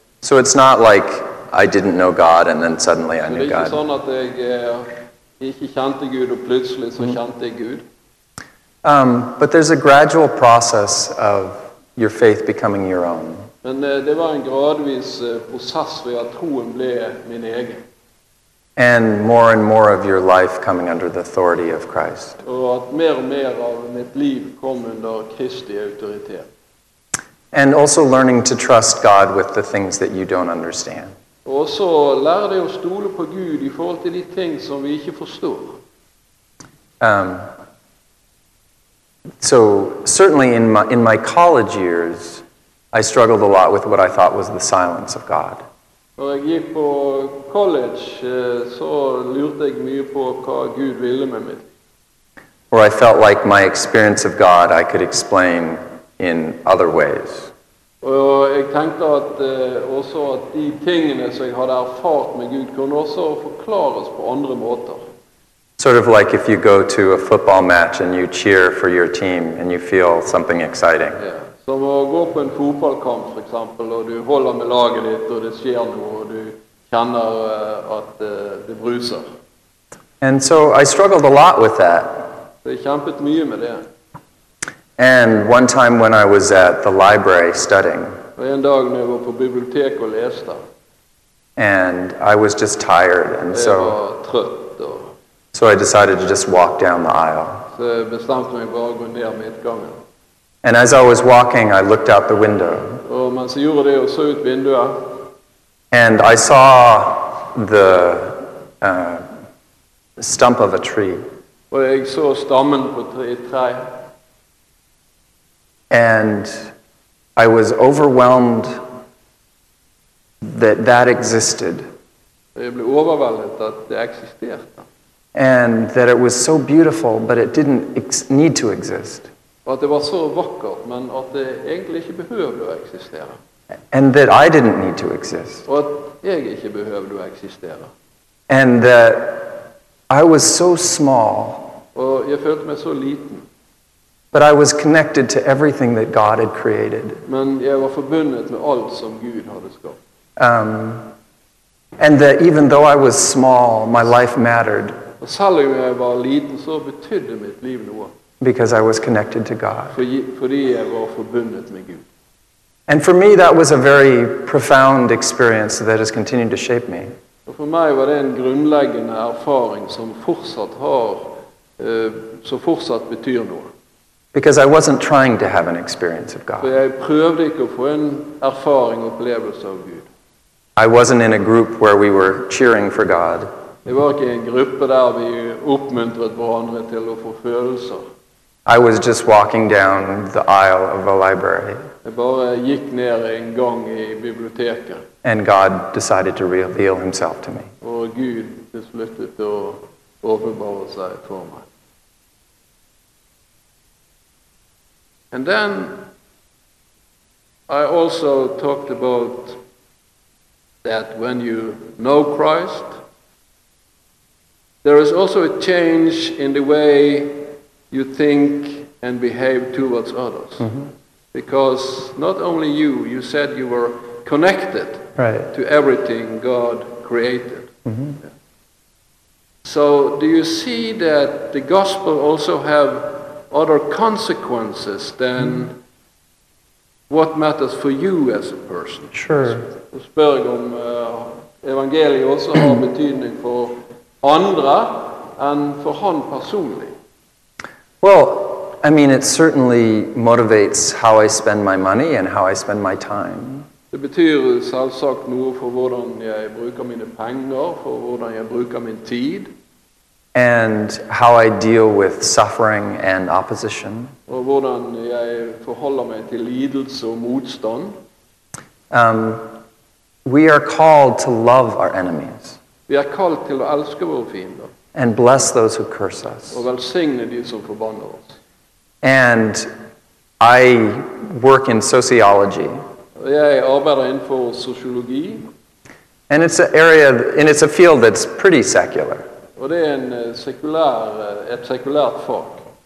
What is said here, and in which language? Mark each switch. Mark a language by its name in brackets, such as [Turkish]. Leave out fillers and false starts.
[English] So it's not like I didn't know God and then suddenly I knew God. [Norwegian] Det er ikke sånn at jeg ikke kjente Gud og plutselig så kjente jeg Gud. [English] But there's a gradual process of your faith becoming your own. [Norwegian] Men det var en gradvis prosess hvor troen ble min egen. [English] And more of your life coming under the authority of Christ. [Norwegian] Og mer av mitt liv kom under Kristi autoritet. [English] And also learning to trust God with the things that you don't understand. [Norwegian] Og så lære deg å stole på Gud i forhold til de ting som vi ikke forstår. [English] So certainly in my college years, I struggled a lot with what I thought was the silence of God. [Norwegian] Når jeg gikk på college, så lurte jeg mye på hva Gud ville med meg. [English] Or I felt like my experience of God I could explain in other ways. [Norwegian] Og jeg tenkte at også at de tingene som jeg hadde erfart med Gud kunne også forklares på andre måter. [English] Sort of like if you go to a football match and you cheer for your team and you feel something exciting. Yeah. [Norwegian] Som å gå på en fotballkamp for eksempel og du holder med laget ditt og det skjer noe og du kjenner at det bruser. [English] And so I struggled a lot with that. [Norwegian] Så jeg kjempet mye med det. [English] And one time when I was at the library studying. [Norwegian] Og en dag når jeg var på biblioteket og leste. [English] And I was just tired, and [Norwegian] jeg [English] so [Swedish] var trött och... [English] so I decided to just walk down the aisle. [Norwegian] Så jeg bestemte meg bare å gå ned midtgangen. [English] And as I was walking, I looked out the window. [Norwegian] Og mens jeg gjorde det, og så ut vinduet. [English] And I saw the stump of a tree. [Norwegian] Og jeg så stammen på et tre. [English] And I was overwhelmed that that existed. [Norwegian] Jeg ble overveldet at det eksisterte. [English] And that it was so beautiful, but it didn't need to exist. [Norwegian] At det var så vakkert, men at det egentlig ikke behøvde å eksistere. [English] And that I didn't need to exist. [Norwegian] Og at jeg ikke behøvde å eksistere. [English] And that I was so small. [Norwegian] Og jeg følte meg så liten. [English] But I was connected to everything that God had created. [Norwegian] Men jeg var forbundet med alt som Gud hadde skapt. [English] And that even though I was small, my life mattered. [Norwegian] Og selv om jeg var liten, så betydde mitt liv noe. [English] Because I was connected to God. [Norwegian] Fordi jeg var forbundet med Gud. [English] And for me, that was a very profound experience that has continued to shape me. [Norwegian] Og for meg var det en grunnleggende erfaring som fortsatt har, som fortsatt betyr noe. [English] Because I wasn't trying to have an experience of God. [Norwegian] For jeg prøvde ikke å få en erfaring og opplevelse av Gud. [English] I wasn't in a group where we were cheering for God. [Norwegian] Jeg var ikke i en gruppe der vi oppmuntret hverandre til å få følelser. [English] I was just walking down the aisle of a library. [Norwegian] Jeg bare gikk ned en gang i biblioteket. [English] And God decided to reveal himself to me. [Norwegian] Og Gud besluttet å åpenbare seg for meg. [English] And then I also talked about that when you know Christ, there is also a change in the way you think and behave towards others. Mm-hmm. Because not only you said you were connected right. to everything God created. Mm-hmm. Yeah. So do you see that the gospel also have other consequences than mm-hmm. what matters for you as a person? Sure. [Norwegian] Så spør jeg om evangeliet også har betydning for andre enn for han personlig. [English] Well, I mean, it certainly motivates how I spend my money and how I spend my time. [Norwegian] Det betyr selvsagt noe for hvordan jeg bruker mine penger, for hvordan jeg bruker min tid. [English] And how I deal with suffering and opposition. [Norwegian] Og hvordan jeg forholder meg til lidelse og motstand. [English] We are called to love our enemies. [Norwegian] Vi kalt til å elske våre fiender. [English] And bless those who curse us. [Norwegian] Og velsigne de som forbanner oss. [English] And I work in sociology. [Norwegian] Jeg arbeider innenfor sosiologi. [English] And it's an area, and it's a field that's pretty secular. [Norwegian] Og det en sekulær, et sekulært fag.